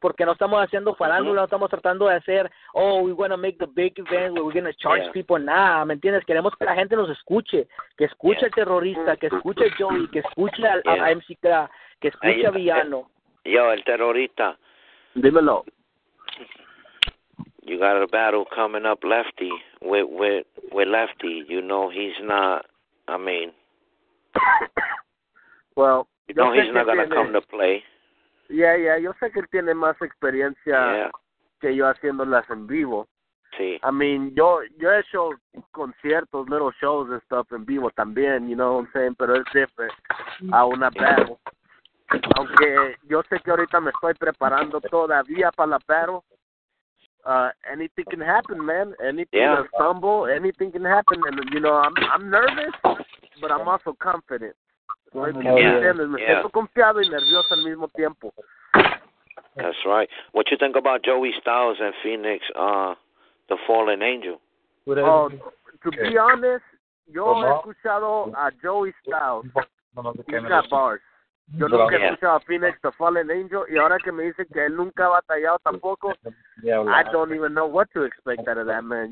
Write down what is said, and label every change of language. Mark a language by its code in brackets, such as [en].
[es] Porque no estamos haciendo farándula, no estamos tratando de hacer, [en] oh, we're gonna make the big event, we're gonna charge people, [es] nada, ¿me entiendes? Queremos que la gente nos escuche, que escuche al terrorista, que escuche a Joey, que escuche a MC Kra, que escuche a Villano. Yo, el terrorista. Dímelo. [en] You got a battle coming up, Lefty, with Lefty, you know he's not, I mean. Well, you know he's not gonna come to play. Yeah, yeah, [es] yo sé que él tiene más experiencia [en] yeah. [es] que yo haciéndolas en vivo. Sí. [en] I mean, [es] yo he hecho conciertos, [en] little shows and stuff [es] en vivo también, [en] you know what I'm saying? [es] Pero es diferente a una battle. Aunque yo sé que ahorita me estoy preparando todavía para la battle. [en] Anything can happen, man. Anything can stumble, anything can happen. And, you know, I'm nervous, but I'm also confident. [es] Me siento confiado y nervioso al mismo tiempo. [en] That's right. What you think about Joey Styles and Phoenix, The Fallen Angel. To be honest, [es] yo he escuchado a [en] Joey Styles. He's got bars. Yo nunca he escuchado a Phoenix, The Fallen Angel, y ahora que me dicen que él nunca ha batallado tampoco, I don't even know what to expect out of that man.